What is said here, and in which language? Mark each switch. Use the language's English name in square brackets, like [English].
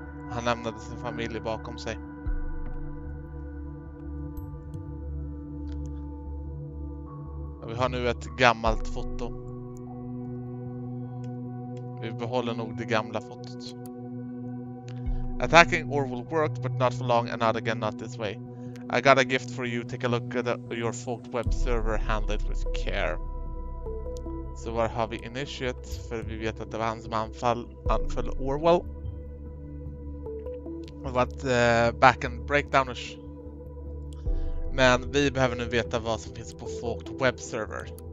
[Swedish] Han lämnade sin familj bakom sig. Och vi har nu ett gammalt foto. Vi behåller nog det gamla fotot. [English] Attacking Orwell worked, but not for long, and not again, not this way. I got a gift for you. Take a look at your forked web server. Handle it with care. [Swedish] Så var har vi initiate, för vi vet att det var han som anföll Orwell. Det var ett [English] backend breakdownish. [Swedish] Men vi behöver nu veta vad som finns på forked webserver.